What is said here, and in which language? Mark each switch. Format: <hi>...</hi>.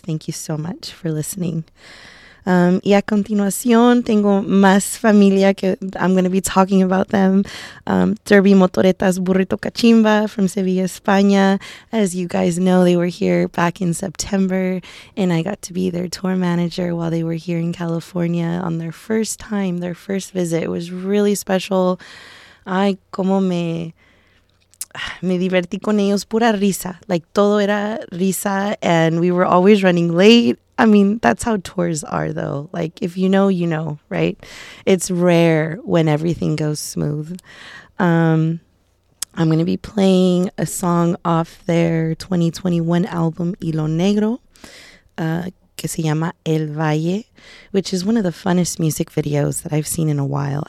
<en>Thank you so much for listening.</en> <es>Y a continuación, tengo más familia que</es> <en>I'm going to be talking about them. Derby Motoretas Burrito Cachimba from Sevilla, España. As you guys know, they were here back in September, and I got to be their tour manager while they were here in California on their first time, their first visit. It was really special.</en> <es>Ay, cómo me divertí con ellos, pura risa.</es> <en>Like,</en> <es>todo era risa,</es> <en>and we were always running late. I mean, that's how tours are, though. Like, if you know, right? It's rare when everything goes smooth. I'm going to be playing a song off their 2021 album, Hilo Negro,</en> <es>que se llama</es> <en>El Valle, which is one of the funnest music videos that I've seen in a while.</en>